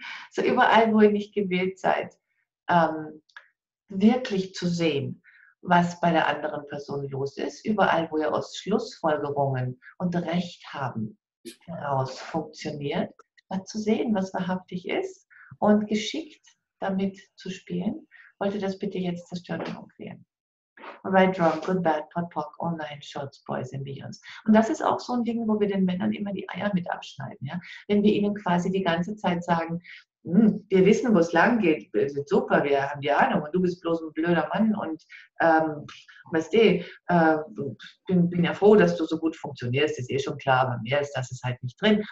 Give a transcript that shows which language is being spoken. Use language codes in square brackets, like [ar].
[de] So überall, wo ihr nicht gewählt seid, wirklich zu sehen, was bei der anderen Person los ist, überall, wo ihr aus Schlussfolgerungen und Recht haben heraus funktioniert, mal zu sehen, was wahrhaftig ist und geschickt damit zu spielen, wollt ihr das bitte jetzt zerstören und klären. [en] Right, wrong, good, bad, pot, pock, online, shots, boys and beyonds. [de] Und das ist auch so ein Ding, wo wir den Männern immer die Eier mit abschneiden. Ja? Wenn wir ihnen quasi die ganze Zeit sagen, wir wissen, wo es lang geht, wir sind super, wir haben die Ahnung und du bist bloß ein blöder Mann und bin ja froh, dass du so gut funktionierst, ist eh schon klar, aber mehr ist das ist halt nicht drin.